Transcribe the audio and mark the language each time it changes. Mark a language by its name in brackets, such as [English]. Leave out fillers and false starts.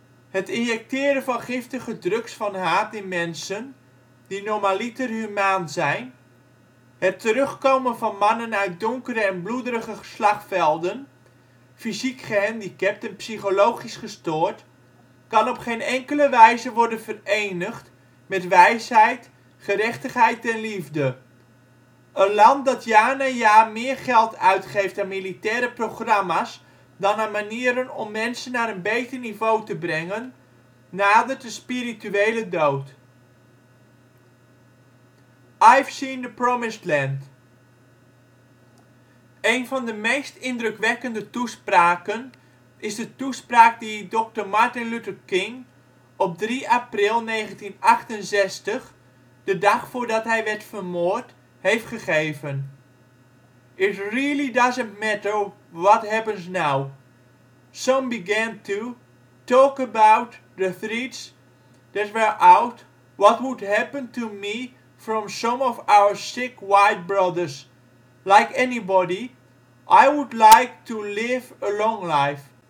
[Dutch] het injecteren van giftige drugs van haat in mensen die normaliter humaan zijn, het terugkomen van mannen uit donkere en bloederige geslagvelden, fysiek gehandicapt en psychologisch gestoord, kan op geen enkele wijze worden verenigd met wijsheid, gerechtigheid en liefde. Een land dat jaar na jaar meer geld uitgeeft aan militaire programma's dan aan manieren om mensen naar een beter niveau te brengen, nadert de spirituele dood. [English] I've Seen the Promised Land. [Dutch] Een van de meest indrukwekkende toespraken is de toespraak die Dr. Martin Luther King op 3 april 1968, de dag voordat hij werd vermoord, heeft gegeven. [English] It really doesn't matter what happens now. Some began to talk about the threats that were out. What would happen to me from some of our sick white brothers? Like anybody, I would like to live a long life.